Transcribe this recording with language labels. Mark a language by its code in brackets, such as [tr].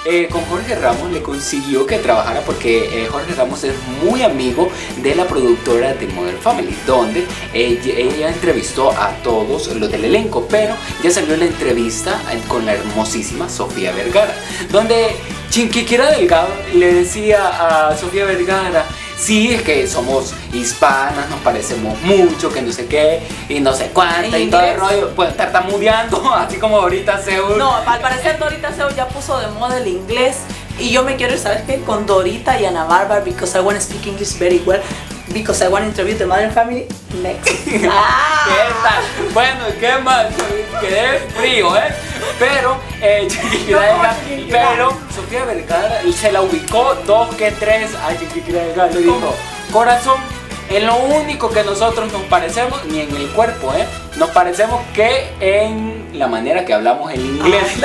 [es] Con Jorge Ramos le consiguió que trabajara porque Jorge Ramos es muy amigo de la productora de Modern Family, donde ella entrevistó a todos los del elenco, pero ya salió la entrevista con la hermosísima Sofía Vergara, donde Chiquinquirá Delgado le decía a Sofía Vergara: sí, es que somos hispanas, nos parecemos mucho, que no sé qué, y no sé cuánto, y todo el rollo. Pues tartamudeando, así como ahorita Seúl. No, al parecer Dorita Seúl ya puso de moda el inglés. Y yo me quiero ir, ¿sabes qué? Con Dorita y Ana Bárbara, [en] because I want to speak English very well, because I want to interview the Modern Family next. [es] ¿Qué tal? Bueno, ¿qué más? Quedé frío, ¿eh? Pero, Chiquinquirá Delgado, pero Sofía Vergara se la ubicó dos que tres a Chiquinquirá Delgado. Le dijo: corazón, en lo único que nosotros nos parecemos, ni en el cuerpo, nos parecemos que en la manera que hablamos el inglés.